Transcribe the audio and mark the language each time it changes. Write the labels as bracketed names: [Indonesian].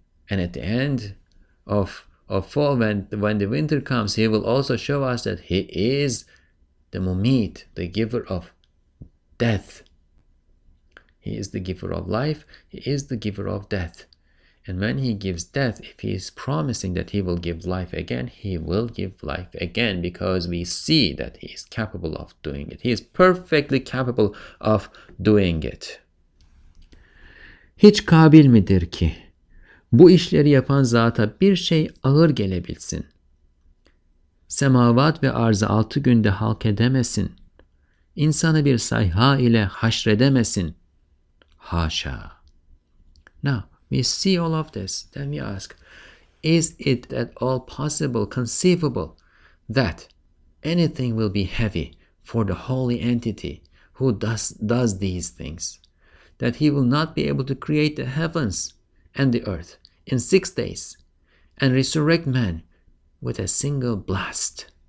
[English] And at the end of fall, when the winter comes, he will also show us that he is the Mumit, the giver of death. He is the giver of life. He is the giver of death. And when he gives death, if he is promising that he will give life again, he will give life again, because we see that he is capable of doing it. He is perfectly capable of doing it. [Turkish] Hiç kabil midir ki bu işleri yapan zata bir şey ağır gelebilsin? Semavat ve arzı 6 günde halk edemesin. İnsanı bir sayha ile haşredemesin. Haşa. [English] Now, we see all of this. Then we ask, is it at all possible, conceivable, that anything will be heavy for the holy entity who does these things? That he will not be able to create the heavens and the earth in 6 days and resurrect man with a single blast?